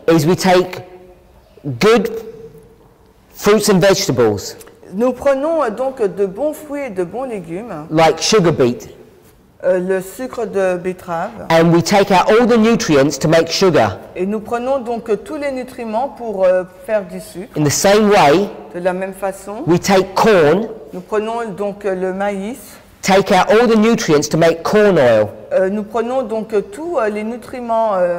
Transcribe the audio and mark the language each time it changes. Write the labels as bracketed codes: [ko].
[en] Is we take good fruits and vegetables. [fr] Nous prenons donc de bons fruits et de bons légumes. [en] Like sugar beet. [fr] Le sucre de betterave. [en] And we take out all the nutrients to make sugar. [fr] Et nous prenons donc tous les nutriments pour faire du sucre. [en] In the same way. [fr] De la même façon. [en] We take corn. [fr] Nous prenons donc le maïs. [en] Take out all the nutrients to make corn oil. [fr] Nous prenons donc tous les nutriments.